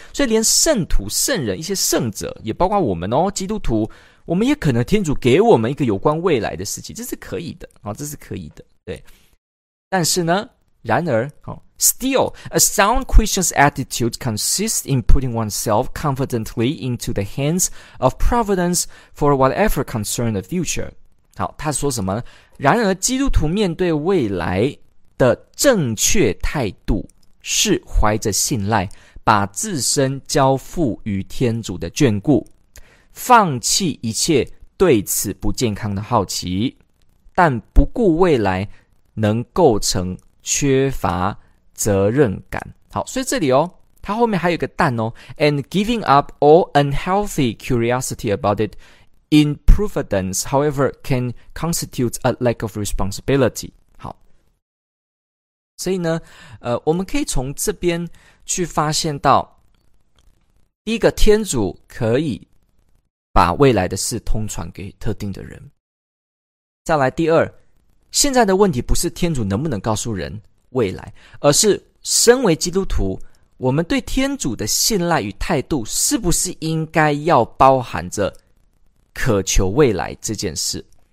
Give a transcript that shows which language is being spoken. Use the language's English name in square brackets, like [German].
[Chinese] 所以连圣徒、圣人、一些圣者，也包括我们哦，基督徒，我们也可能天主给我们一个有关未来的事情，这是可以的，这是可以的，对。但是呢，然而， [English] Still, a sound Christian's attitude consists in putting oneself confidently into the hands of providence for whatever concerns the future. [Chinese] 好，他说什么呢？然而基督徒面对未来的正确态度是怀着信赖，把自身交付于天主的眷顾，放弃一切对此不健康的好奇，但不顾未来能构成缺乏责任感。好，所以这里哦，它后面还有一个但哦， [English] and giving up all unhealthy curiosity about it in providence, however, can constitute a lack of responsibility. [Chinese] 好，所以呢，我们可以从这边去发现到，第一个，天主可以把未来的事通传给特定的人。再来，第二，现在的问题不是天主能不能告诉人未来，而是身为基督徒，我们对天主的信赖与态度是不是应该要包含着渴求未来这件事。